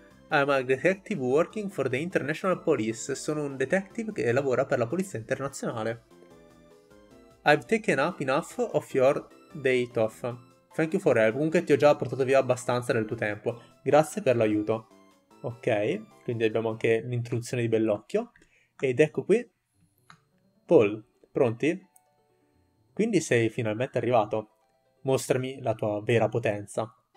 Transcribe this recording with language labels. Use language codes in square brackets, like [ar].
[en] I'm a detective working for the International Police. [it] Sono un detective che lavora per la polizia internazionale. [en] I've taken up enough of your day off. Thank you for help. [it] Comunque ti ho già portato via abbastanza del tuo tempo. Grazie per l'aiuto. Ok, quindi abbiamo anche l'introduzione di Bellocchio. Ed ecco qui. Paul, pronti? Quindi sei finalmente arrivato. Mostrami la tua vera potenza.